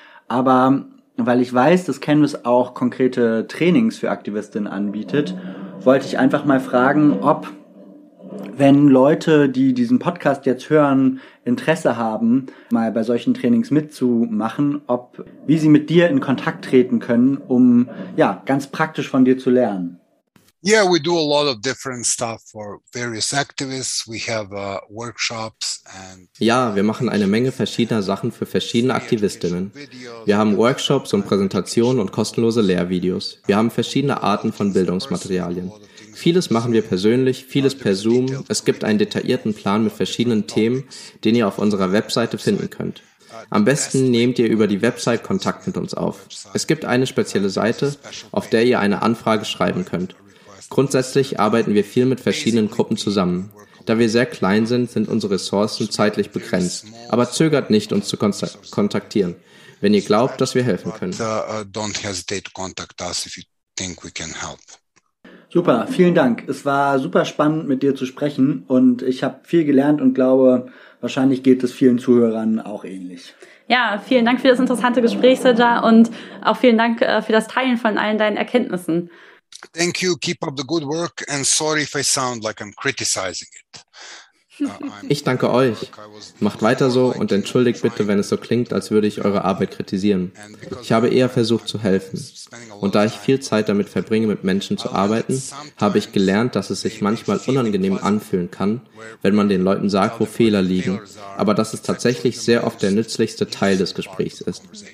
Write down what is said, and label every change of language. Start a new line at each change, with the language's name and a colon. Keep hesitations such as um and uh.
German: Aber weil ich weiß, dass Canvas auch konkrete Trainings für Aktivistinnen anbietet, wollte ich einfach mal fragen, ob wenn Leute, die diesen Podcast jetzt hören, Interesse haben, mal bei solchen Trainings mitzumachen, ob wie sie mit dir in Kontakt treten können, um ja, ganz praktisch von dir zu lernen.
English: Yeah, we do a lot of different stuff for various activists. We have uh, workshops and
German: Ja, wir machen eine Menge verschiedener Sachen für verschiedene Aktivistinnen. Wir haben Workshops und Präsentationen und kostenlose Lehrvideos. Wir haben verschiedene Arten von Bildungsmaterialien. Vieles machen wir persönlich, vieles per Zoom. Es gibt einen detaillierten Plan mit verschiedenen Themen, den ihr auf unserer Webseite finden könnt. Am besten nehmt ihr über die Website Kontakt mit uns auf. Es gibt eine spezielle Seite, auf der ihr eine Anfrage schreiben könnt. Grundsätzlich arbeiten wir viel mit verschiedenen Gruppen zusammen. Da wir sehr klein sind, sind unsere Ressourcen zeitlich begrenzt. Aber zögert nicht, uns zu kontaktieren, wenn ihr glaubt, dass wir helfen können.
English: Uh, uh, don't hesitate to contact us if you think we can help.
German: Super, vielen Dank. Es war super spannend, mit dir zu sprechen und ich habe viel gelernt und glaube, wahrscheinlich geht es vielen Zuhörern auch ähnlich. Ja, vielen Dank für das interessante Gespräch, Sirja, und auch vielen Dank äh, für das Teilen von allen deinen Erkenntnissen.
English: Thank you, keep up the good work and sorry if I sound like I'm criticizing it.
German: Ich danke euch. Macht weiter so und entschuldigt bitte, wenn es so klingt, als würde ich eure Arbeit kritisieren. Ich habe eher versucht zu helfen. Und da ich viel Zeit damit verbringe, mit Menschen zu arbeiten, habe ich gelernt, dass es sich manchmal unangenehm anfühlen kann, wenn man den Leuten sagt, wo Fehler liegen, aber dass es tatsächlich sehr oft der nützlichste Teil des Gesprächs ist.